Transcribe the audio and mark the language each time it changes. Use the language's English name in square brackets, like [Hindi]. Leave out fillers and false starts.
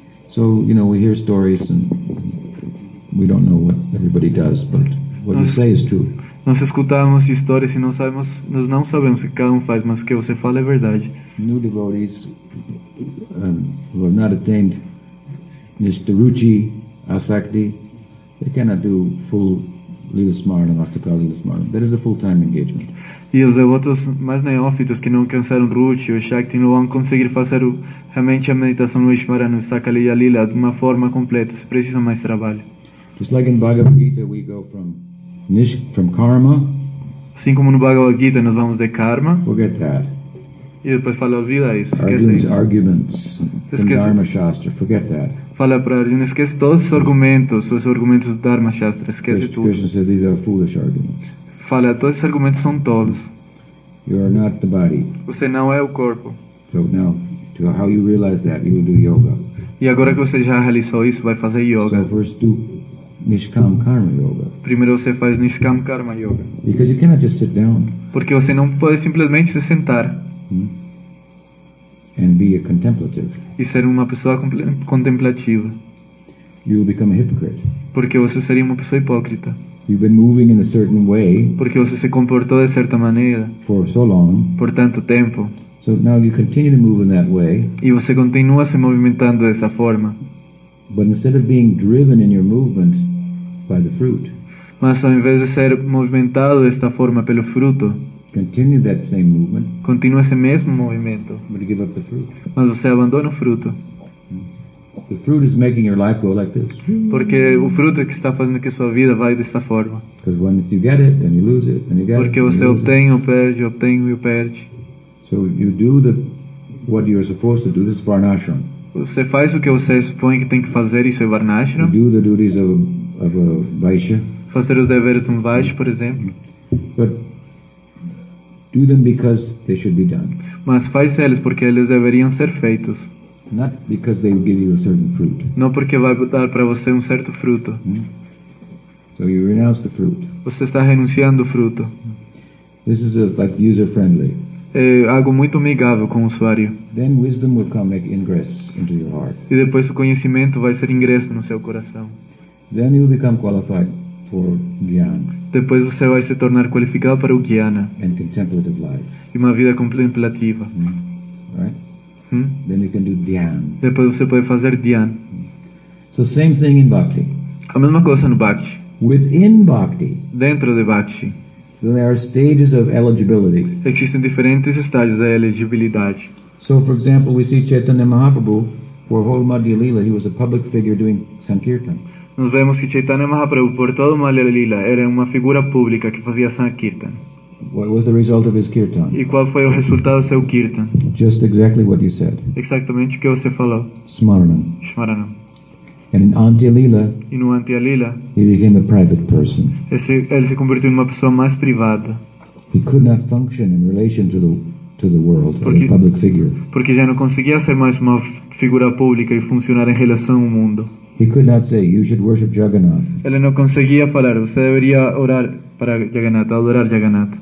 [English] So, you know, we hear stories and we don't know what everybody does, but what you say is true. [Portuguese] Nós escutamos histórias e não sabemos o que cada um faz, mas o que você fala é verdade. [English] New devotees who have not attained Nishtaruchi Asakti, they cannot do full lila smaranam, ashtaka lila smaranam. That is a full-time engagement. [Portuguese] E os devotos mais neófitos que não alcançaram Ruchi ou Shakti não vão conseguir fazer realmente a meditação no smaranam, ashtaka lila lila de uma forma completa. Se precisa mais trabalho. [English] Just like in Bhagavad Gita, we go from from karma. [Portuguese] Assim como no Bhagavad Gita nós vamos de karma. [English] Forget that. [Portuguese] E depois fala, olvida isso, esquece isso. [English] Arguments from Dharma Shastra, forget that. [Portuguese] Fala para Arjuna, esquece todos os argumentos do Dharma Shastra, esquece [English] Krishna, [Portuguese] tudo. [English] Krishna says these are foolish arguments. [Portuguese] Fala, todos esses argumentos são tolos. [English] You are not the body. [Portuguese] Você não é o corpo. [English] So now, to how you realize that, you will do yoga. [Portuguese] E agora que você já realizou isso, vai fazer yoga. [English] So first do Nishkam Karma Yoga. [Portuguese] Primeiro você faz Nishkam Karma Yoga. [English] Because you cannot just sit down. [Portuguese] Porque você não pode simplesmente se sentar. [English] And be a contemplative. [Portuguese] E ser uma pessoa contemplativa. [English] You will become a hypocrite. [Portuguese] Porque você seria uma pessoa hipócrita. [English] You've been moving in a certain way. [Portuguese] Porque você se comportou de certa maneira. [English] For so long. [Portuguese] Por tanto tempo. [English] So now you continue to move in that way. [Portuguese] E você continua se movimentando dessa forma. [English] But instead of being driven in your movement by the fruit. [Portuguese] Mas ao invés de ser movimentado desta forma pelo fruto, [English] continue that same movement. [Portuguese] Continua esse mesmo movimento. [English] But you give up the fruit. [Portuguese] Mas você abandona o fruto. [English] The fruit is making your life go like this. [Portuguese] Porque o fruto é que está fazendo que sua vida vai desta forma. [English] Because when you get it, then you lose it, then you get [Portuguese] Porque você obtém ou perde, obtém ou perde. [English] So you do the what you're supposed to do. This is varnashram. [Portuguese] Você faz o que você supõe que tem que fazer, isso é varnashram. [English] You do the duties of a vaishya. [Portuguese] Fazer os deveres de um vaishya, por exemplo. [English] But do them because they should be done. [Portuguese] Mas faz eles porque eles deveriam ser feitos. [English] Not because they give you a certain fruit. [Portuguese] Não porque vai dar para você um certo fruto. [English] So you renounce the fruit. [Portuguese] Você está renunciando o fruto. [English] This is like user friendly. [Portuguese] É algo muito amigável com o usuário. [English] Then wisdom will come make ingress into your heart. [Portuguese] E depois o conhecimento vai ser ingresso no seu coração. [English] Then you become qualified for jnana. [Portuguese] Depois você vai se tornar qualificado para o jnana. [English] And contemplative life. [Portuguese] E uma vida contemplativa. [English] Right? Then you can do jnana. [Portuguese] Depois você pode fazer jnana. [English] So same thing in bhakti. [Portuguese] A mesma coisa no bhakti. [English] within bhakti, [Portuguese] dentro de bhakti, [English] then there are stages of eligibility. [Portuguese] Existem diferentes estágios da elegibilidade. [English] So, for example, we see Chaitanya Mahaprabhu for whole Madhya Lila. He was a public figure doing sankirtan. [Portuguese] Nós vemos que Chaitanya Mahaprabhu por todo Madhya Lila era uma figura pública que fazia sankirtan. [English] What was the result of his kirtan? [Portuguese] E qual foi o resultado do seu kirtan? [English] Just exactly what you said. [Portuguese] Exatamente o que você falou. [English] Smaranam. [Portuguese] Smaranam. [English] And in Antya Lila, [Portuguese] e no Antya Lila, [English] he became a private person. [Portuguese] Ele se converteu em uma pessoa mais privada. [English] He could not function in relation to the world, porque, as a public figure. [Portuguese] Porque já não conseguia ser mais uma figura pública e funcionar em relação ao mundo. [English] He could not say, "You should worship Jagannath." [Portuguese] Ele não conseguia falar, você deveria orar para Jagannath, adorar Jagannath.